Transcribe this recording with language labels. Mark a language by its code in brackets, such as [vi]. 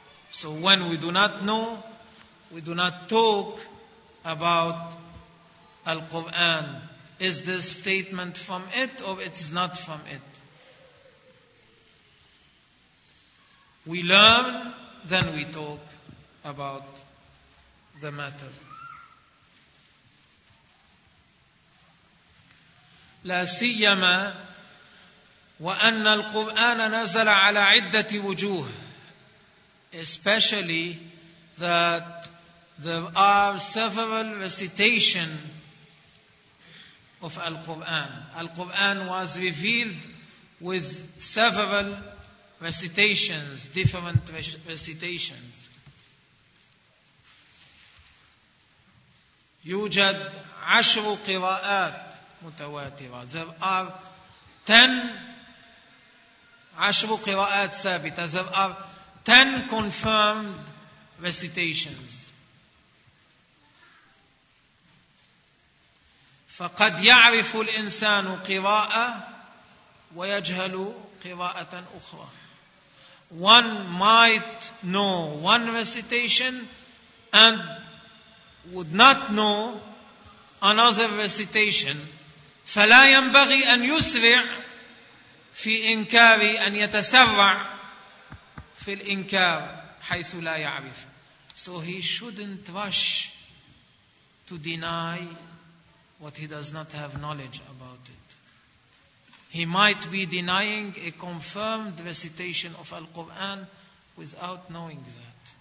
[en] So when we do not know, we do not talk about Al-Quran. Is this statement from it or it is not from it? We learn, then we talk about the matter. [ar] لا سيما وأن القرآن نزل على عدة وجوه. [en] Especially that there are several recitations of Al-Quran. Al-Quran was revealed with several recitations, different recitations. [ar] يوجد عشر قراءات متواترة. [en] There are 10 [ar] عشر قراءات ثابتة. [en] There are 10 confirmed recitations. [ar] فقد يعرف الإنسان قراءة ويجهل قراءة أخرى. [en] One might know one recitation and would not know another recitation. [ar] فلا ينبغي أن يسرع في إنكار أن يتسرع في الإنكار حيث لا يعرف. [en] So he shouldn't rush to deny what he does not have knowledge about it. He might be denying a confirmed recitation of Al-Quran without knowing that.